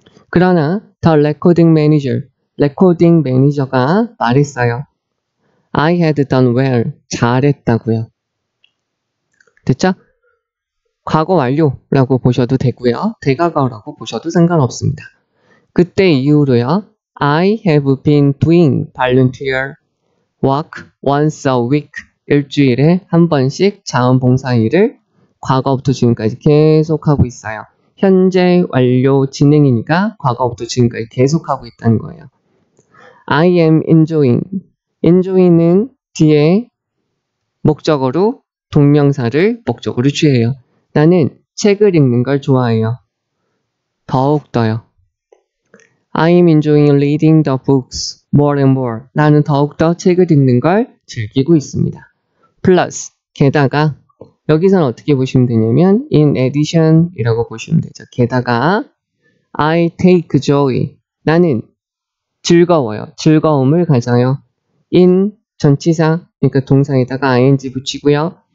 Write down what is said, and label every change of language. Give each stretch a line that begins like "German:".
Korean: 그러나
English: the recording manager,
Korean: 레코딩 매니저가 말했어요.
English: I had done well.
Korean: 잘했다고요. 됐죠? 과거 완료라고 보셔도 되고요. 대과거라고 보셔도 상관없습니다. 그때 이후로요.
English: I have been doing volunteer work once a week.
Korean: 일주일에 한 번씩 자원봉사 일을 과거부터 지금까지 계속하고 있어요. 현재 완료 진행이니까 과거부터 지금까지 계속하고 있다는 거예요.
English: I am enjoying.
Korean: enjoy는 뒤에 목적으로 동명사를 목적으로 취해요. 나는 책을 읽는 걸 좋아해요. 더욱더요.
English: I am enjoying reading the books more and more.
Korean: 나는 더욱더 책을 읽는 걸 즐기고 있습니다. plus, 게다가, 여기서는 어떻게 보시면 되냐면,
English: in addition
Korean: 이라고 보시면 되죠. 게다가,
English: I take joy.
Korean: 나는 즐거워요. 즐거움을 가져요. in 전치사, 그러니까 동사에다가 ing 붙이고요.